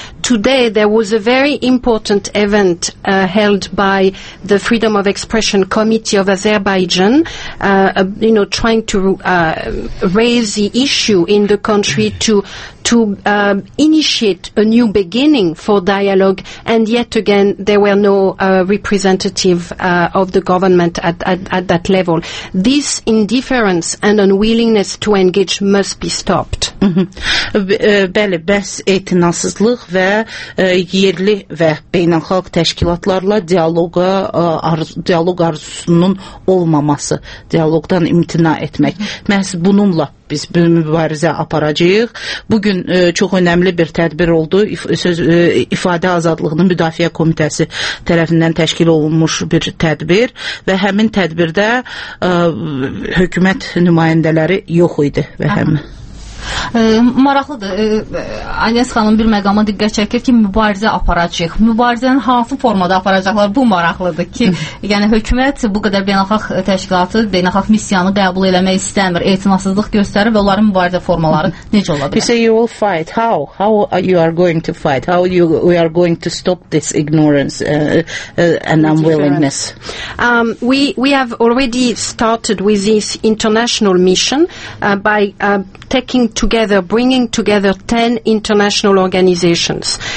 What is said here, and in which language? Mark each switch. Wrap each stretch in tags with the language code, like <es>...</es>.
<en>Today there was a very important event held by the Freedom of Expression Committee of Azerbaijan, trying to raise the issue in the country to initiate a new beginning for dialogue, and yet again there were no representative of the government at that level. This indifference and unwillingness to engage must be stopped.</en> <az>Bəli, bəs etinasızlıq və yerli və beynəlxalq təşkilatlarla dialoq arzusunun olmaması, dialoqdan imtina etmək. Məhz bununla biz bu mübarizə aparacağıq. Bugün çox önəmli bir tədbir oldu. İfadə Azadlığının Müdafiə Komitəsi tərəfindən təşkil olunmuş bir tədbir və həmin tədbirdə hökumət nümayəndələri yox idi və həmin. Maraqlıdır. Anes xanım bir məqama diqqət çəkir ki, mübarizə aparacaq. Mübarizəni hansı formada aparacaqlar? Bu maraqlıdır ki, yəni hökumət bu qədər beynəlxalq təşkilatı, beynəlxalq missiyanı qəbul eləmək istəmir. Etinasızlıq göstərir və onların mübarizə formaları necə ola bilər?</az> <en>You say you will fight. How? How are you are going to fight? How you we are going to stop this ignorance and unwillingness? We have already started with this international mission by taking together, bringing together 10 international organizations.</en>